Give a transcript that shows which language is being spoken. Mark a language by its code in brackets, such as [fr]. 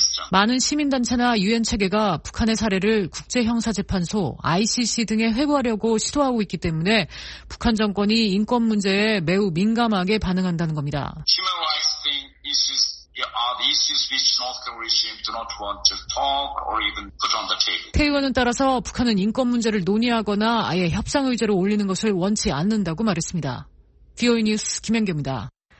[ko] 많은 시민단체나 유엔 체계가 북한의 사례를 국제형사재판소, ICC 등에 회부하려고 시도하고 있기 때문에 북한 정권이 인권 문제에 매우 민감하게 반응한다는 겁니다. [en] Human rights thing issues are the issues which North Korean regime do not want to talk or even put on the table. [ko] 태 의원은 따라서 북한은 인권 문제를 논의하거나 아예 협상 의제로 올리는 것을 원치 않는다고 말했습니다. VOA 뉴스 김현경입니다.